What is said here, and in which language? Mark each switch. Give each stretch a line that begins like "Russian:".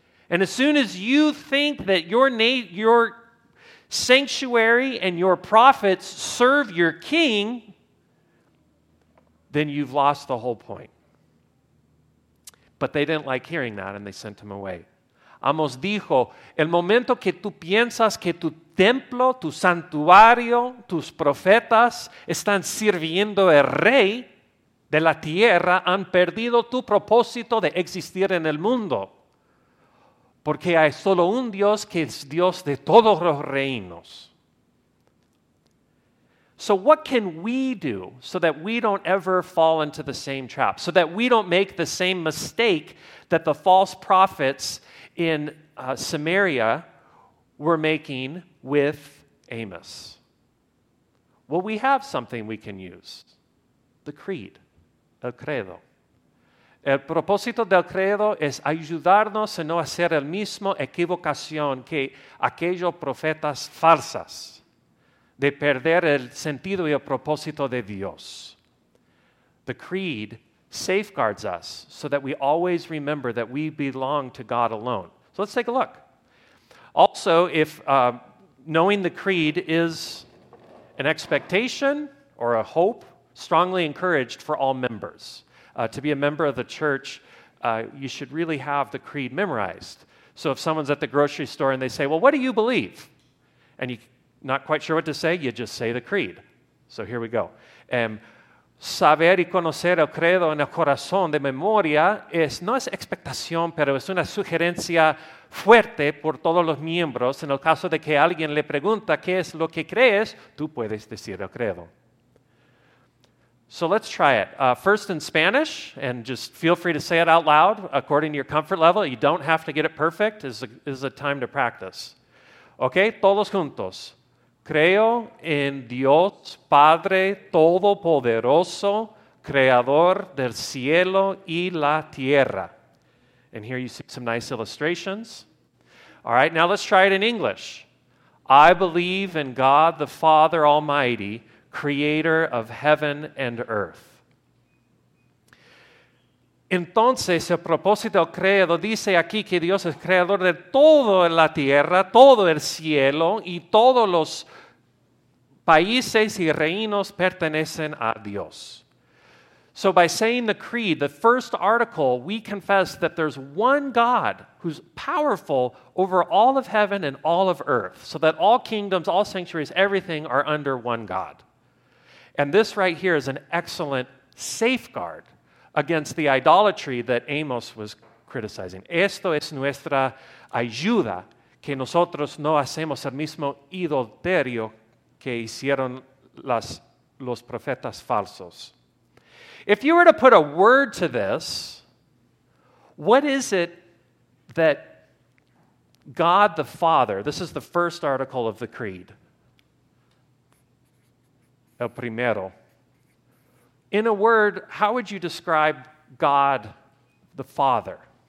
English: And as soon as you think that your sanctuary and your prophets serve your king, then you've lost the whole point. But they didn't like hearing that, and they sent him away.
Spanish: Amos dijo, el momento que tú piensas que tu templo, tu santuario, tus profetas están sirviendo al rey de la tierra, han perdido tu propósito de existir en el mundo. Porque hay solo un Dios que es Dios de todos los reinos.
English: So what can we do so that we don't ever fall into the same trap, so that we don't make the same mistake that the false prophets in Samaria were making with Amos? Well, we have something we can use, the creed,
Spanish: el credo. El propósito del credo es ayudarnos a no hacer el mismo equivocación que aquellos profetas falsas, de perder el sentido y el propósito de Dios.
English: The creed safeguards us so that we always remember that we belong to God alone. So let's take a look. Also, if knowing the creed is an expectation or a hope, strongly encouraged for all members. To be a member of the church, you should really have the creed memorized. So if someone's at the grocery store and they say, well, what do you believe? And you're not quite sure what to say, you just say the creed. So here we go.
Spanish: Saber y conocer el credo en el corazón de memoria no es expectación, pero es una sugerencia fuerte por todos los miembros. En el caso de que alguien le pregunta qué es lo que crees, tú puedes decir el credo.
English: So let's try it. First in Spanish, and just feel free to say it out loud according to your comfort level. You don't have to get it perfect. It's a time to practice.
Spanish: Okay, todos juntos. Creo en Dios Padre Todopoderoso, Creador del cielo y la tierra.
English: And here you see some nice illustrations. All right, now let's try it in English. I believe in God the Father Almighty, Creator of heaven and earth.
Spanish: Entonces, el propósito del credo dice aquí que Dios es creador de toda la tierra, todo el cielo, y todos los países y reinos pertenecen a Dios.
English: So by saying the creed, the first article, we confess that there's one God who's powerful over all of heaven and all of earth, so that all kingdoms, all sanctuaries, everything are under one God. And this right here is an excellent safeguard against the idolatry that Amos was criticizing.
Spanish: Esto es nuestra ayuda, que nosotros no hacemos el mismo idolaterio que hicieron los profetas falsos.
English: If you were to put a word to this, what is it that God the Father, this is the first article of the creed,
Spanish: el primero.
English: In a word, how would you describe God the Father?